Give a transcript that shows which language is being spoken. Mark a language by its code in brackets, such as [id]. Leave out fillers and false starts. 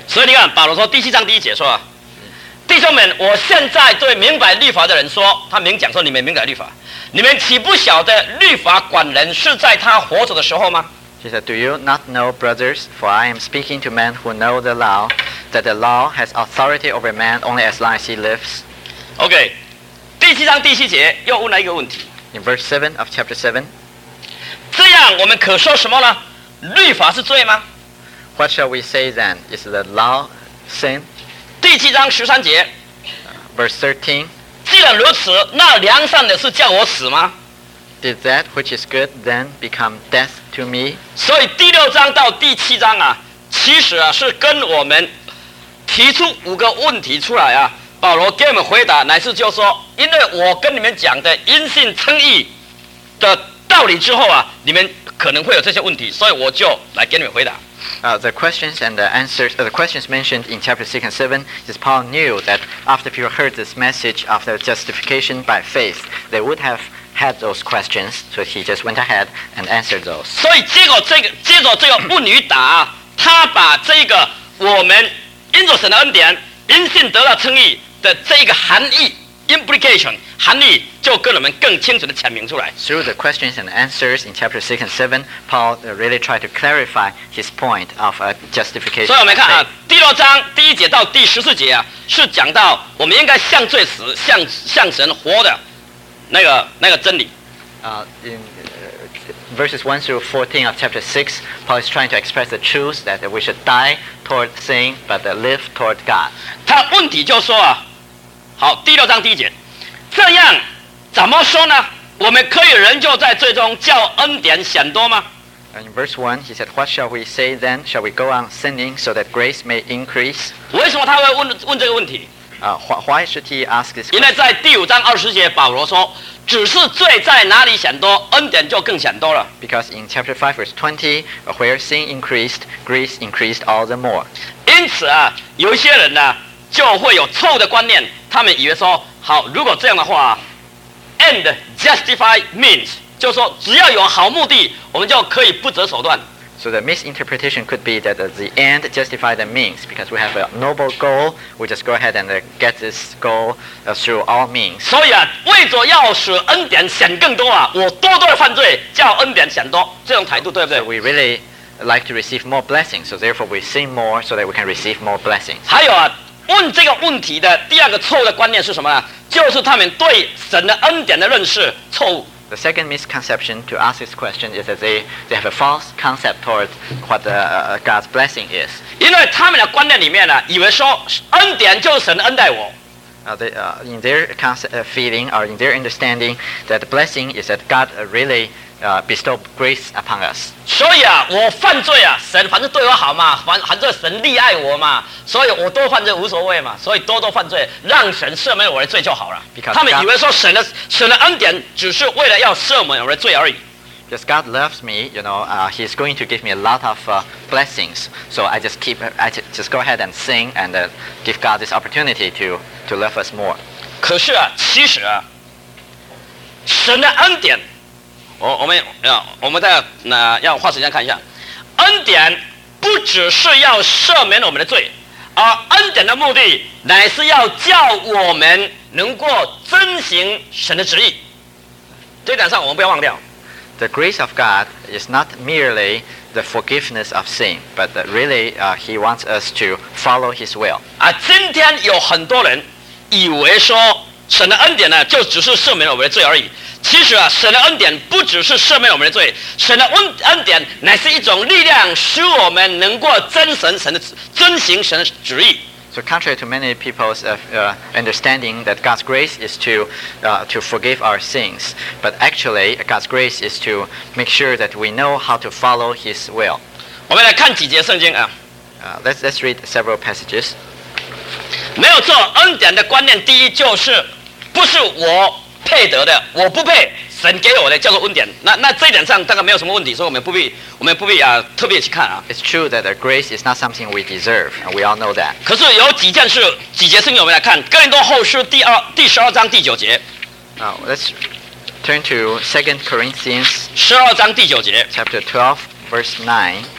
[zh] 所以你看，保罗说第七章第一节说、啊， mm. 弟兄们，我现在对明白律法的人说，他明讲说你们明白律法，你们岂不晓得律法管人是在他活着的时候吗？ [en] He said, Do you not know, brothers, for I am speaking to men who know the law, that the law has authority over man only as long as he lives? [zh] Okay, 第七章第七节又问了一个问题。 [en] In verse 7 of chapter 7, [zh] 这样我们可说什么呢？律法是罪吗？ [en] What shall we say then? Is the law sin? [zh] 第七章十三节。 [en] Verse [zh] 13, 既然如此，那良善的是叫我死吗？ [en] Did that which is good then become death to me? [zh] 所以第六章到第七章啊，其实啊是跟我们提出五个问题出来啊。保罗给我们回答，乃是就说，因为我跟你们讲的因信称义的道理之后啊，你们可能会有这些问题，所以我就来给你们回答。 [en] The questions and the answers, the questions mentioned in chapter 6 and 7, is Paul knew that after people heard this message of the justification by faith, they would have. Had those questions, so he just went ahead and answered those. [zh] 所以结果这个接着这个问与答，他把这个我们因着神的恩典，因信得了称义的这个含义 implication 含义，就跟我们更清楚的阐明出来。 [en] Through the questions and answers in chapter 6 and 7, Paul really tried to clarify his point of a justification. [zh] 所以我们看啊，第六章第一节到第十四节啊，是讲到我们应该向罪死，向神活的。那个真理。 [en] In verses 1 through 14 of chapter 6, Paul is trying to express the truth that we should die toward sin but live toward God. [zh] 他问题就说啊，好，第六章第一节，这样怎么说呢？我们可以仍旧在罪中叫恩典显多吗？ [en] In verse 1, he said, What shall we say then? Shall we go on sinning so that grace may increase? [zh] 为什么他会问这个问题？ [en] Why should he ask this question? [zh] 因为在第五章二十节，保罗说，只是罪在哪里显多，恩典就更显多了。 [en] Because in chapter 5 verse 20, where sin increased, grace increased all the more. [zh] 因此啊，有一些人呢，就会有错误的观念，他们以为说，好，如果这样的话， [en] and justified means [zh] 就是说只要有好目的我们就可以不择手段 [en] So the misinterpretation could be that the end justified the means because we have a noble goal we just go ahead and get this goal through all means [zh] 所以啊为着要使恩典显更多啊我多多的犯罪叫恩典显多这种态度对不对 [en] So we reallylike to receive more blessings so therefore we sin more so that we can receive more blessings [zh] 还有啊问这个问题的第二个错误的观念是什么呢就是他们对神的恩典的认识错误 [en] the second misconception to ask this question is that they have a false concept toward what the, God's blessing is [zh] 因为他们的观念里面呢以为说恩典就是神恩待我 [en] in their feeling or in their understanding that the blessing is that God reallybestow grace upon us [zh] 所以啊我犯罪啊神反正对我好嘛反正神溺爱我嘛所以我多犯罪无所谓嘛所以多多犯罪让神赦免我的罪就好了 [en] Because [zh] 他们以为说神的恩典只是为了要赦免我的罪而已 [en] Because God loves me you know he's going to give me a lot of blessings so I just keep I just go ahead and sing and give God this opportunity to love us more [zh] 可是啊其实啊神的恩典我们再要花时间看一下，恩典不只是要赦免我们的罪，而恩典的目的乃是要叫我们能够遵行神的旨意。这点上我们不要忘掉。 [en] The grace of God is not merely the forgiveness of sin, but really, He wants us to follow His will. [zh] 啊，今天有很多人以为说神的恩典呢，就只是赦免我们的罪而已。其实啊神的恩典不只是赦免我们的罪神的恩典乃是一种力量使我们能够遵行神的旨意 [en] So contrary to many people's understanding that God's grace is to forgive our sins but actually God's grace is to make sure that we know how to follow His will [zh] 我们来看几节圣经啊。 [en] Let's read several passages [zh] 没有错恩典的观念第一就是不是我配得的我不配神给我的叫做恩典 那这一点上大概没有什么问题所以我们不必、特别去看、啊、 [en] It's true that a grace is not something we deserve and we all know that [zh] 可是有几件事几节圣经我们来看哥林多后书第十二章第九节 [en] Let's turn to 2 Corinthians [zh] 十二章第九节 [en] Chapter 12 verse 9